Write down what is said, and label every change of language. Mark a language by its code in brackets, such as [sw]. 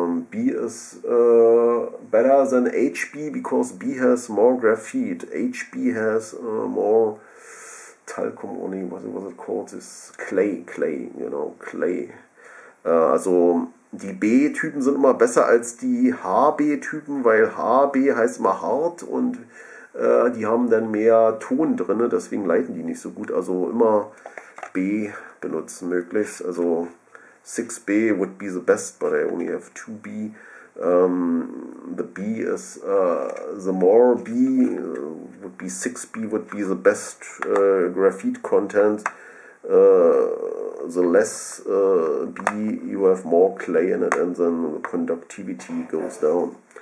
[en] B is better than HB, because B has more graphite. HB has more Talcum, only what was it called? It's clay, you know, clay. [de] Also die B-Typen sind immer besser als die HB-Typen, weil HB heißt immer hart und Die haben dann mehr Ton drin, deswegen leiten die nicht so gut. Also immer B benutzen möglichst. [en] Also 6B would be the best, but I only have 2B. The B is the more B would be 6B would be the best graphite content. The less B you have more clay in it and then the conductivity goes down.